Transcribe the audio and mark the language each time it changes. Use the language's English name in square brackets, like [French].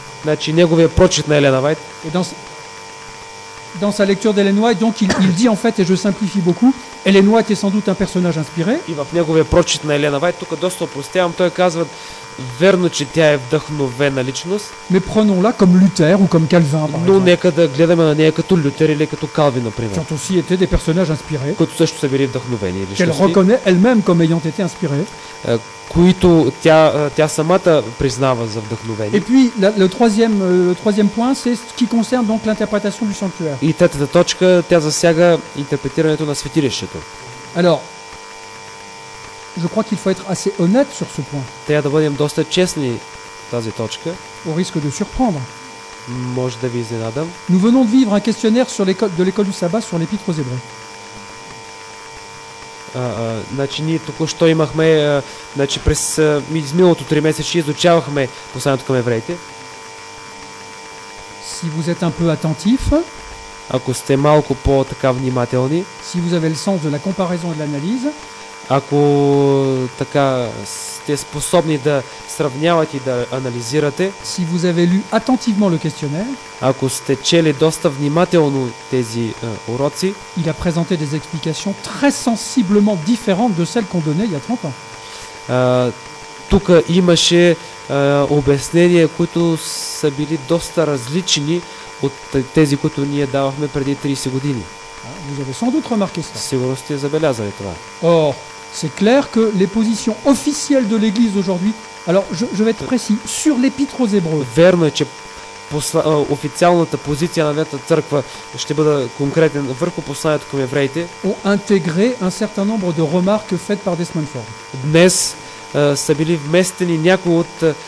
[Bulgarian] Значи неговия прочит на Елена Вайт. [French] Dans sa lecture d'Ellen White, donc il dit en fait, et je simplifie beaucoup, Ellen White est sans doute un personnage inspiré. [Bulgarian] И в неговия прочит на Елена Вайт, тук доста простявам, той казва верно, че тя е вдъхновена личност. [French] Mais prenons-la comme Luther ou comme Calvin. [Bulgarian] Но нека да гледаме на нея като Лютер или като Калвин, например. [French] Qui ont aussi été des personnages inspirés. [Bulgarian] Които също са били вдъхновени личности. [French] Elle reconnaît elle-même comme ayant été inspirée. [Bulgarian] Които тя самата признава за вдъхновение. [French] Et puis le troisième point, c'est ce qui concerne donc l'interprétation du sanctuaire. [Bulgarian] И третата точка, тя засяга интерпретирането на светилището. [French] Alors je crois qu'il faut être assez honnête sur ce point. [Bulgarian] Трябва да бъдем доста честни тази точка. [French] Au risque de surprendre. [Bulgarian] Може да ви изненадам. [French] Nous venons de vivre un questionnaire sur l'école de l'école du sabbat sur l'épître aux Hébreux. [Bulgarian] Значи ние току-що имахме, значи през изминалото 3 месеца изучавахме посланието към евреите. [French] Si vous êtes un peu attentif. [Bulgarian] Ако сте малко по-така внимателни. [French] Si vous avez le sens de la comparaison et de l'analyse. [Bulgarian] Ако така сте способни да сравнявате и да анализирате. [French] Si vous avez lu attentivement le questionnaire. [Bulgarian] Ако сте чели доста внимателно тези уроци. [French] Il a présenté des explications très sensiblement différentes de celles qu'on donnait il y a 30 ans. [Bulgarian] Тук имаше обяснения, които са били доста различни от тези, които ние давахме преди 30 години. [French] Vous avez sans doute remarqué ça. [Bulgarian] Сигурно сте забелязали това. [French] Or, c'est clair que les positions officielles de l'Église aujourd'hui, alors je vais être précis, sur l'Épître aux Hébreux. [Bulgarian] Верно е, че официалната позиция на Вятната църква ще бъде конкретен върху посланието към евреите. [French] Ont intégré un certain nombre de remarques faites par Desmond Ford. [Bulgarian] Днес са били вместени някои от